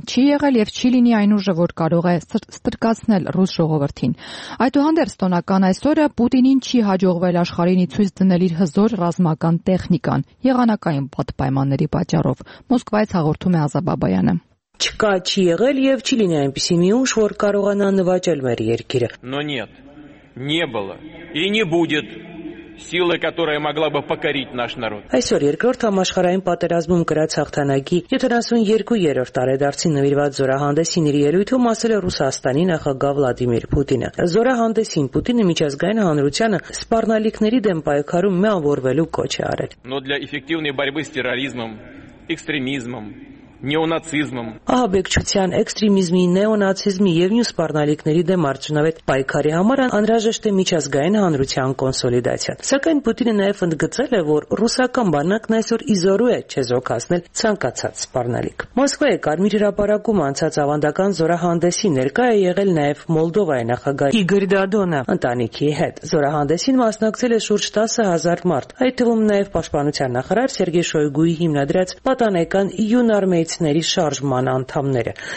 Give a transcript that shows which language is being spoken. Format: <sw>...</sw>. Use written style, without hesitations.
<hy>«Չի եղել եւ չի լինի այն ուժը, որ կարող է ստրկացնել ռուս ժողովրդին»։ Այդուհանդերձ տոնական այսօրը Պուտինին չի հաջողվել աշխարհին ցույց տնել իր հզոր ռազմական տեխնիկան՝ եղանակային պատպայմանների պատճառով։ Մոսկվայից հաղորդում է Ազա Բաբայանը. «Չկա, չի եղել եւ չի լինի այնպիսի մի ուժ, որ կարողանա նվաճել մեր երկիրը»։</hy> <ru>Но нет. Не было и не будет. Силы, которая могла бы покорить наш народ.</ru> <hy>Այսօր երկրորդ համաշխարհային պատերազմում գրած հաղթանակի 72-րդ տարեդարձի նվիրված զորահանդեսին իր ելույթում ասել է Ռուսաստանի նախագահ Վլադիմիր Պուտինը. Զորահանդեսին Պուտինը միջազգային համայնությանը սպառնալիքների դեմ պայքարում միավորվելու կոչ է արել։</hy> <ru>Но для эффективной борьбы с терроризмом, экстремизмом,</ru> <hy>նեոնացիզմը։ Ահաբեկչության, էքստրեմիզմի, նեոնացիզմի եւ մյուս սպառնալիքների դեմ արժունավետ պայքարի համար անհրաժեշտ է միջազգային հանրության կոնսոլիդացիան։ Սակայն Պուտինը նաեւ ընդգծել է, որ ռուսական բանակն այսօր իզորու է չեզոքացնել ցանկացած սպառնալիք։ Մոսկվայի կարմիր հրապարակում անցած ավանդական զորահանդեսի ներկա է եղել նաեւ Մոլդովայի նախագահ Իգոր Դադոնը ընտանիքի հետ։ Զորահանդեսին մասնակցել է շուրջ 10,000 մարդ, այդ թվում նաեւ պաշտպանության նախարար Սերգեյ Շոյգուի հիմնադրած պատանեկան Յունար մեծների շարժման անդամները։</hy>